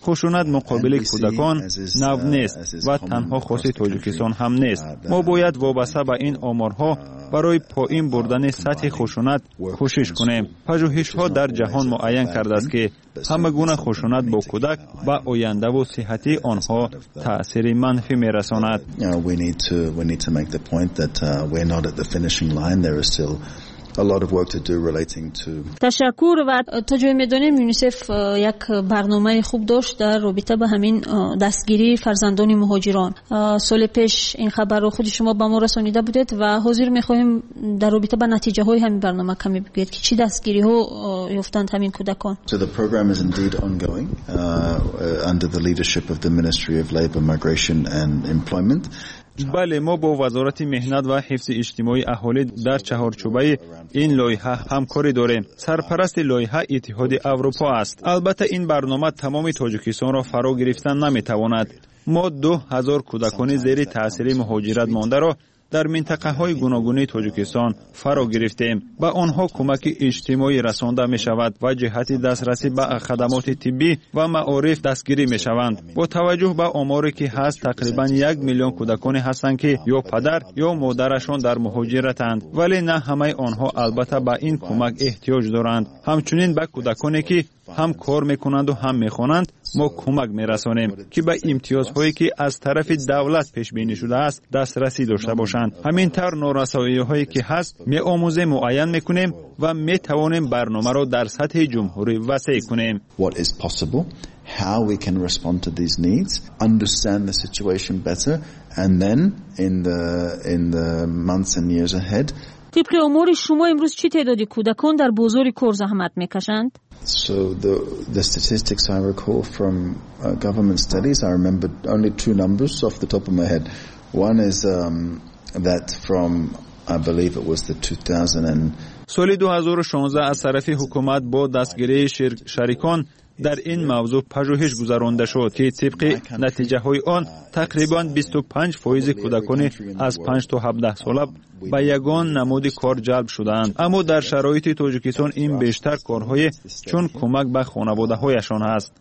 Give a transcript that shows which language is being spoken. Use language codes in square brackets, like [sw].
[fa] خشونت مقابل کودکان نو نیست و تنها خاص تاجیکستان هم نیست. ما باید وابسته به این آمارها برای پایین بردن سطح خشونت کوشش کنیم. پژوهش‌ها در جهان معین کرده است که همه گونه خشونت با کودک و آینده و صحت آنها تأثیر منفی می‌رساند. [en] We need to make the point that we're not at the finishing line. There is still a lot of work to do relating to. [fa] تشکر. و تا جایی می‌دونیم یونیسف یک برنامه خوب داشت در رابطه با همین دستگیری فرزندان مهاجران. سال پیش این خبر رو خود شما به ما رسانیده بودید و حاضر می‌خویم در رابطه با نتیجه های همین برنامه کمی بگید که چی دستگیری ها یافتند همین کودکان. [en] So the program is indeed ongoing under the leadership of the Ministry of Labor, Migration and Employment. [fa] بله، ما با وزارت مهنت و حفظ اجتماعی اهالی در چهارچوبه این لایحه همکاری داریم. سرپرست لایحه اتحاد اروپا است. البته این برنامه تمام تاجیکستان را فرا گرفتن نمیتواند. ما 2000 کودکان زیر تاثیر مهاجرت مانده را در منطقه های گوناگون تاجیکستان فرا گرفتیم. به آنها کمک اجتماعی رسانده می شود و جهت دسترسی به خدمات طبی و معارف دستگیری می شوند. با توجه به آماری که هست، تقریبا 1 میلیون کودکان هستند که یا پدر یا مادرشان در مهاجرتند، ولی نه همه آنها البته به این کمک احتیاج دارند. همچنین به کودکانی که هم کار میکنند و هم میخوانند ما کمک میرسانیم که به امتیازهایی که از طرف دولت پیش بینی شده است دسترسی داشته باشند. همین تر نورسایی هایی که هست میآموزیم، معین میکنیم و میتوانیم برنامه را در سطح جمهوری وسیع کنیم. [en] What is possible, how we can respond to these needs, understand the situation better, and then in the months and years ahead. [fa] طبق امور شما امروز چه تعدادی کودکان در بازار کار زحمت میکشند؟ [en] So the statistics I recall from government studies, I remember only two numbers off the top of my head. One is that from, I believe it was the 2000. [fa] سال 2016 از طرف حکومت با دستگیری شریکان در این موضوع پژوهش گذرانده شد که طبق نتیجه های آن تقریبا 25% کودکان از 5 تا 17 ساله به یگان نمود کار جلب شدند. اما در شرایط تاجیکستان این بیشتر کارهای چون کمک به خانواده هایشان است.